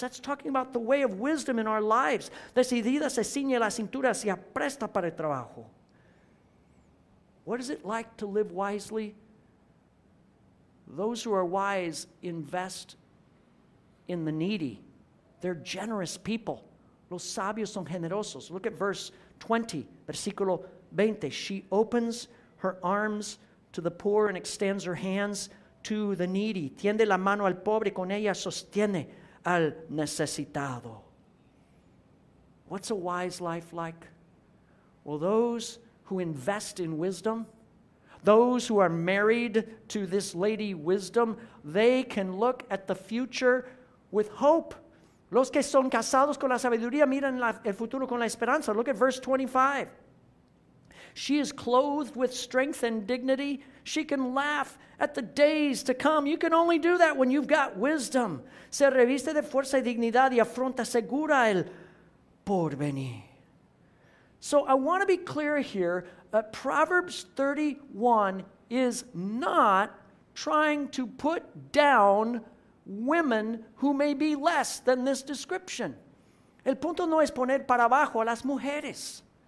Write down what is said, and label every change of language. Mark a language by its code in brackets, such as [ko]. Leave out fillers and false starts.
[en] That's talking about the way of wisdom in our lives. [es] Decidida se ciñe la cintura, se apresta para el trabajo. [en] What is it like to live wisely? Those who are wise invest in the needy. They're generous people. [es] Los sabios son generosos. [en] Look at verse 20, [es] versículo 20. [en] She opens her arms to the poor and extends her hands to the needy. [es] Tiende la mano al pobre y con ella sostiene al necesitado. [en] What's a wise life like? Well, those who invest in wisdom, those who are married to this lady wisdom, they can look at the future with hope. [es] Los que son casados con la sabiduría miran el futuro con la esperanza. [en] Look at verse 25. She is clothed with strength and dignity. She can laugh at the days to come. You can only do that when you've got wisdom. [es] Se reviste de fuerza y dignidad y afronta segura el porvenir. [en] So I want to be clear here. Proverbs 31 is not trying to put down women who may be less than this description. [es] El punto no es poner para abajo a las mujeres.